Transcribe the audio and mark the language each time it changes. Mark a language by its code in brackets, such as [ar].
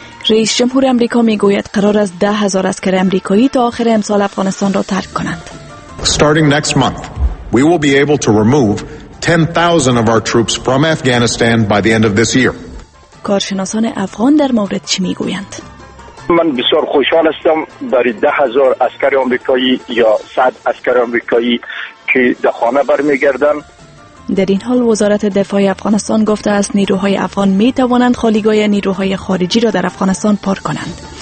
[fa] رئیس جمهور آمریکا میگوید قرار است 10,000 عسکر آمریکایی تا آخر امسال افغانستان را ترک کنند. [en] Starting next month, we will be able to remove 10,000 of our troops from Afghanistan by the end of this year. [fa] کارشناسان افغان در مورد چی میگویند؟ من بسیار خوشحال هستم برای 10,000 عسکر آمریکایی یا 100 عسکر آمریکایی که به خانه برمیگردند. در این حال وزارت دفاع افغانستان گفته است نیروهای افغان می توانند خالیگاه نیروهای خارجی را در افغانستان پر کنند.